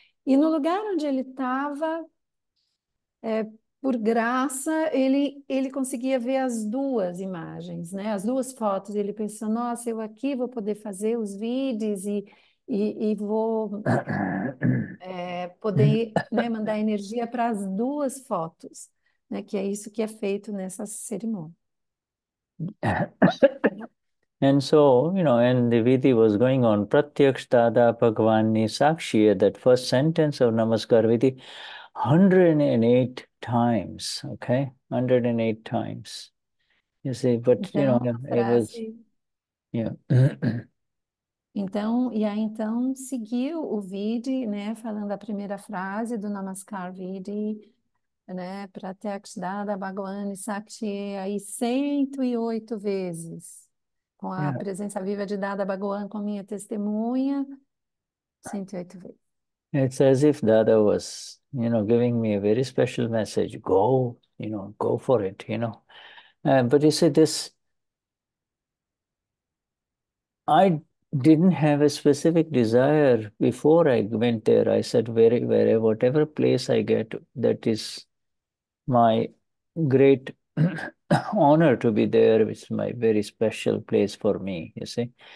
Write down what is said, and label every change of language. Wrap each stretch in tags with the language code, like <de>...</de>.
<pt>E no lugar onde ele estava, por graça, ele conseguia ver as duas imagens, né? As duas fotos. Ele pensou, nossa, eu aqui vou poder fazer os vídeos e vou poder, né, mandar energia para as duas fotos, né? Que é isso que é feito nessa cerimônia.</pt> <en>And so, and the vidhi was going on. Pratyaksh Dada Bhagavan Nisakshi, that first sentence of Namaskar Vidhi, 108 times, okay? 108 times. You see, but</en> <pt>Então,</pt> <en>it was,</en> <pt>então seguiu o vídeo, né, falando a primeira frase do Namaskar Vidhi, né, Pratyaksh Dada Bhagavan Sakshi, aí 108 vezes, com a presença viva de Dada Bhagavan, com minha testemunha, 108 vezes.</pt> <en>It's as if Dada was, giving me a very special message. Go, go for it, But you see, this, I didn't have a specific desire before I went there. I said, wherever, whatever place I get, that is my great honor to be there, which is my very special place for me, you see.</en>